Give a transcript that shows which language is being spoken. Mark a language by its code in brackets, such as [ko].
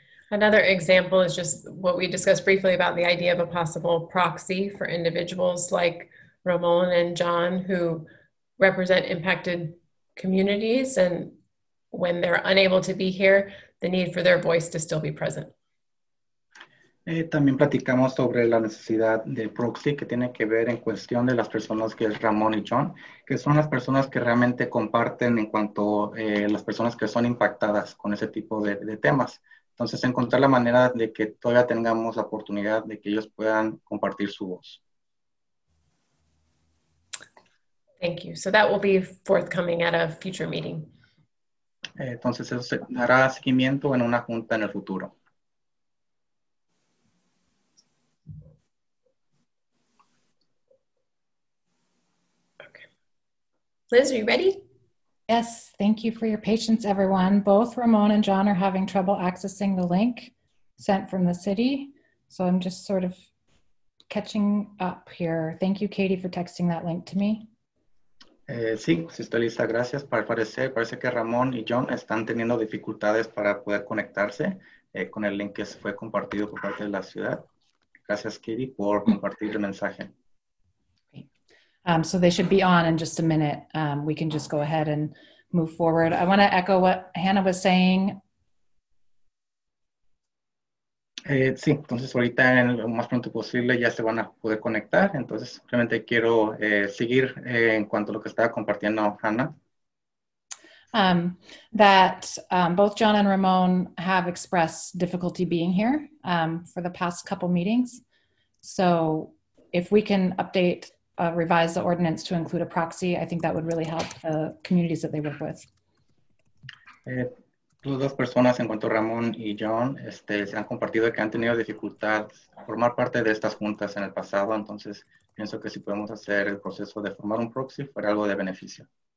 [en] Another example is just what we discussed briefly about the idea of a possible proxy for individuals like Ramon and John who represent impacted communities, and when they're unable to be here, the need for their voice to still be present. [es] También platicamos sobre la necesidad de proxy que tiene que ver en cuestión de las personas que es Ramon y John, que son las personas que realmente comparten en cuanto las personas que son impactadas con ese tipo de temas. Entonces, encontrar la manera de que todavía tengamos la oportunidad de que ellos puedan compartir su voz. [en] Thank you. So that will be forthcoming at a future meeting. [es] Entonces, eso se dará seguimiento en una junta en el futuro. [en] Liz, are you ready? Yes, thank you for your patience, everyone. Both Ramon and John are having trouble accessing the link sent from the city. So I'm just sort of catching up here. Thank you, Katie, for texting that link to me. [es] Sí, si estoy lista, gracias. Parece que Ramon y John están teniendo dificultades para poder conectarse con el link que fue compartido por parte de la ciudad. Gracias, Katie, por compartir el mensaje. [en] So they should be on in just a minute. We can just go ahead and move forward. I want to echo what Hannah was saying. [es] Sí, entonces ahorita lo más pronto posible ya se van a poder conectar. Entonces simplemente quiero seguir en cuanto a lo que estaba compartiendo Hannah. [en] Both John and Ramon have expressed difficulty being here for the past couple meetings. So if we can update revise the ordinance to include a proxy, I think that would really help the communities that they work with. [es] Las dos personas, en cuanto a Ramon y John, se han compartido que han tenido dificultad formar parte de estas juntas en el pasado. Entonces, pienso que si podemos hacer el proceso de formar un proxy, fuera algo de beneficio.